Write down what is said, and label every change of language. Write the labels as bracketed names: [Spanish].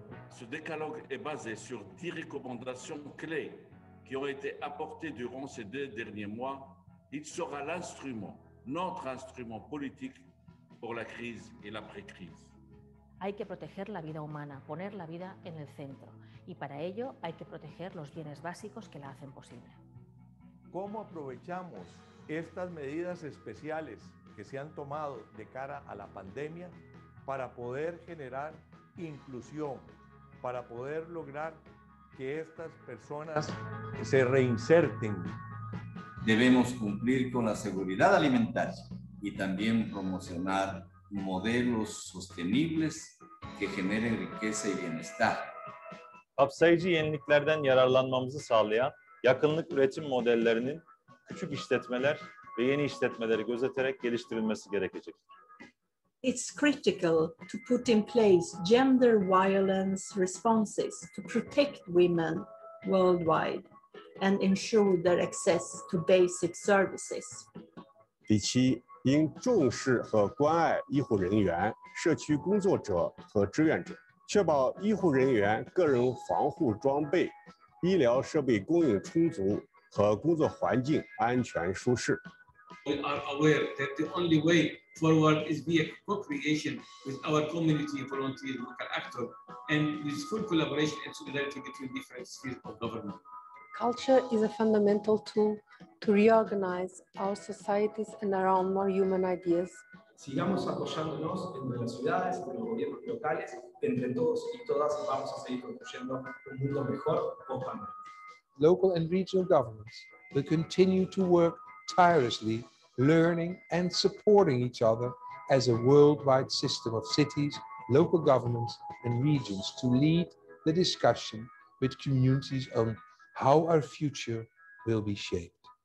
[French] Ce décalogue est basé sur 10 recommandations clés qui ont été apportées durant ces deux derniers mois. Il sera l'instrument, notre instrument politique pour la crise et l'après-crise. [Spanish] Hay que proteger la vida humana, poner la vida en el centro. Y para ello hay que proteger los bienes básicos que la hacen posible. ¿Cómo aprovechamos estas medidas especiales que se han tomado de cara a la pandemia para poder generar inclusión? Para poder lograr que estas personas se reinserten debemos cumplir con la seguridad alimentaria y también promocionar modelos sostenibles que generen riqueza y bienestar. [Turkish] Kapsayıcı yeniliklerden yararlanmamızı sağlayan yakınlık üretim modellerinin küçük işletmeler ve yeni işletmeleri gözeterek geliştirilmesi gerekecek. [English] It's critical to put in place gender violence responses to protect women worldwide and ensure their access to basic services. [Chinese] 第七, 应重视和关爱医护人员、社区工作者和志愿者, 确保医护人员个人防护装备, 医疗设备供应充足和工作环境安全舒适。 [English] We are aware that the only way forward is via co-creation with our community volunteer local actor and with full collaboration and solidarity between different spheres of government. Culture is a fundamental tool to reorganize our societies and around more human ideas. [Spanish] Sigamos apoyándonos en las ciudades, en los gobiernos locales, entre todos y todas vamos a seguir construyendo un mundo mejor con pandemia. [English] Local and regional governments will continue to work tirelessly, learning and supporting each other as a worldwide system of cities, local governments and regions to lead the discussion with communities on how our future will be shaped.